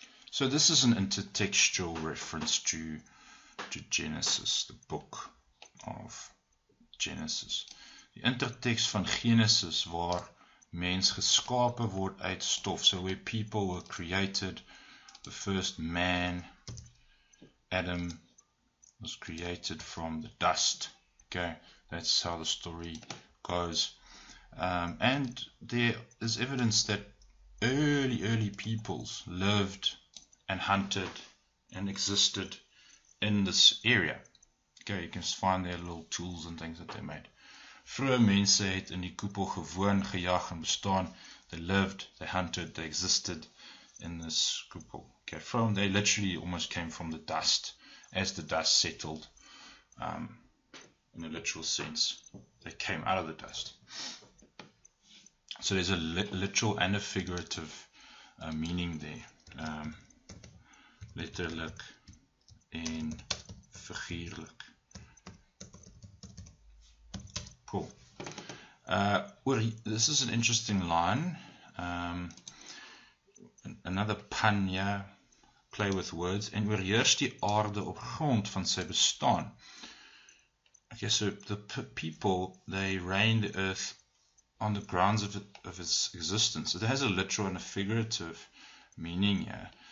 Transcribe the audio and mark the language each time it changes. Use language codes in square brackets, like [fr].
[en] So this is an intertextual reference to Genesis, the book of Genesis. [af] Die intertekst van Genesis waar mens geskape word uit stof. [en] So where people were created, the first man, Adam, was created from the dust. Okay, that's how the story goes. And there is evidence that early peoples lived and hunted and existed in this area. Okay, you can find their little tools and things that they made. [af] Vroeë mense het in die koepel gewoon gejag en bestaan. [en] They lived, they hunted, they existed in this koepel. Okay, from they literally almost came from the dust, as the dust settled, in a literal sense. They came out of the dust. So there's a literal and a figurative meaning there. [af] Letterlijk en figuurlijk. [en] Cool. This is an interesting line. Another pun, yeah. Play with words. [af] En oorheers die aarde op grond van sy bestaan. [en] Okay, so the people, they reign the earth on the grounds of, of its existence. It has a literal and a figurative meaning here.